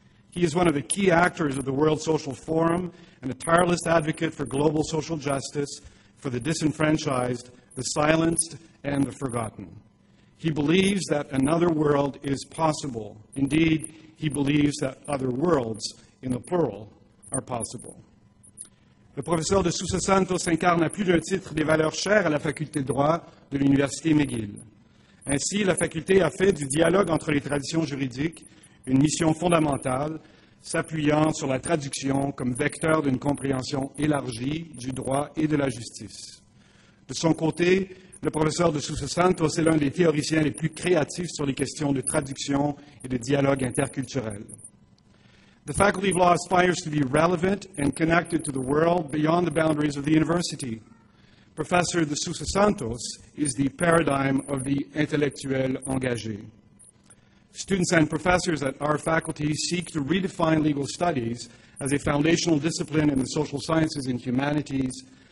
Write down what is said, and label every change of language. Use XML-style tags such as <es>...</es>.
<en>He is one of the key actors of the World Social Forum and a tireless advocate for global social justice, for the disenfranchised, the silenced, and the forgotten. He believes that another world is possible. Indeed, he believes that other worlds, in the plural, are possible.</en> <fr>Le professeur de Sousa Santos incarne à plus d'un titre des valeurs chères à la faculté de droit de l'Université McGill. Ainsi, la faculté a fait du dialogue entre les traditions juridiques une mission fondamentale, s'appuyant sur la traduction comme vecteur d'une compréhension élargie du droit et de la justice. De son côté, le professeur de Sousa Santos est l'un des théoriciens les plus créatifs sur les questions de traduction et de dialogue interculturel.</fr> <en>The Faculty of Law aspires to be relevant and connected to the world beyond the boundaries of the university. Professor de Sousa Santos is the paradigm of the intellectuel engagé. Students and professors at our faculty seek to redefine legal studies as a foundational discipline in the social sciences and humanities.</en>